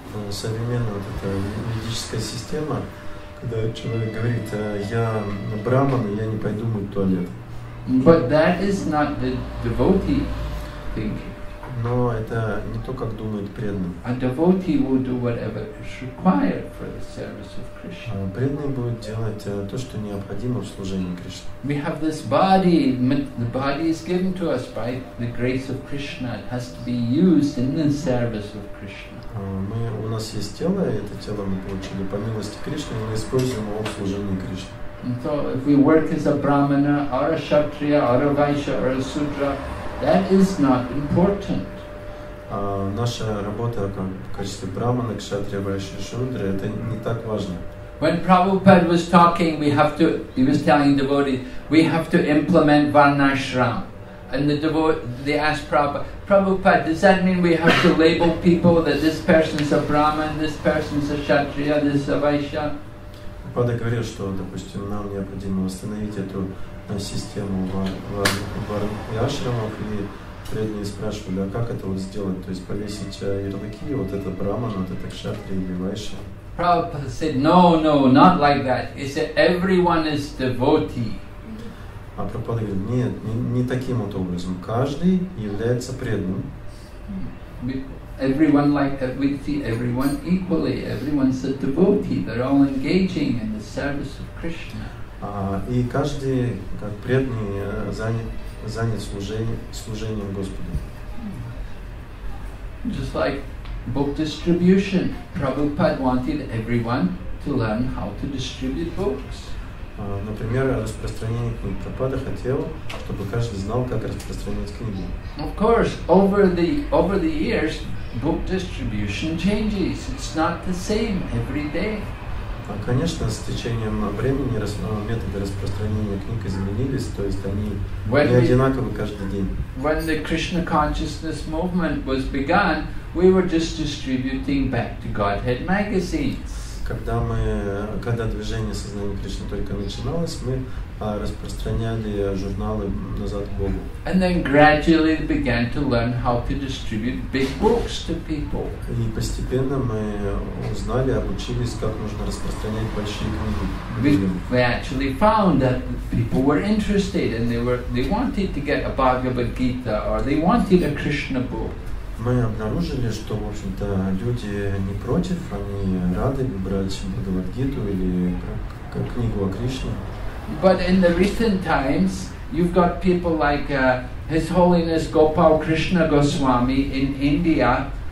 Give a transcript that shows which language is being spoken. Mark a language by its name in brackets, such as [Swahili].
[Russian] Современная вот эта юридическая система, когда человек говорит, я брахман, я не пойду мыть туалет. [English] But that is not the devotee thinking. [Russian] Но это не то, как думает преданный. [English] A devotee will do whatever is required for the service of Krishna. [Russian] Преданный будет делать то, что необходимо в служении Кришне. [English] We have this body. The body is given to us by the grace of Krishna. It has to be used in the service of Krishna. [Russian] У нас есть тело, и это тело мы получили по милости Кришны, и мы используем его в служении Кришне. [English] So if we work as a brahmana, or a kshatriya, or a vaishya, or a sudra, that is not important. [Russian] Наша работа в качестве брахмана, кшатрия, вайшья, шудры, это не так важно. [English] When Prabhupada was talking, he was telling devotees, we have to implement varnashram. And they asked Prabhupada, does that mean we have to label people that this person is a brahman, this person is a kshatriya, this is a vaishya? [Russian] Prabhupada говорил, что, допустим, нам необходимо восстановить эту систему варнашрамов, и преданные спрашивали, а как это вот сделать, то есть повесить ярлыки, вот это брахман, вот это кшатрия или вайша. [English] Prabhupada said, no, no, not like that. He said, everyone is devotee. [Russian] А Прабхупада говорит, нет, не таким вот образом. Каждый является преданным. [English] Everyone like that, we see everyone equally. Everyone's a devotee. They're all engaging in the service of Krishna. [Russian] И каждый как преданный занят служением Господу. [English] Just like book distribution, Prabhupada wanted everyone to learn how to distribute books. [Russian] Например, распространение книг. Прабхупада хотел, чтобы каждый знал, как распространять книги. [English] Of course, over the years, book distribution changes. It's not the same every day. [Russian] Конечно, с течением времени методы распространения книг изменились, то есть они не одинаковы каждый день. [English] When the Krishna consciousness movement was begun, we were just distributing back to Godhead magazines. [Russian] Когда движение сознания Кришны только начиналось, мы распространяли журналы назад Богу. [English] And then gradually began to learn how to distribute big books to people. [Russian] И постепенно мы узнали, обучились, как нужно распространять большие книги. [English] We actually found that people were interested and they wanted to get a Bhagavad Gita or they wanted a Krishna book. [Russian] Мы обнаружили, что, в общем-то, люди не против, они рады брать Бхагавад-гиту или книгу о Кришне. [English] But in the recent times, you've got people like His Holiness Gopal Krishna Goswami in India.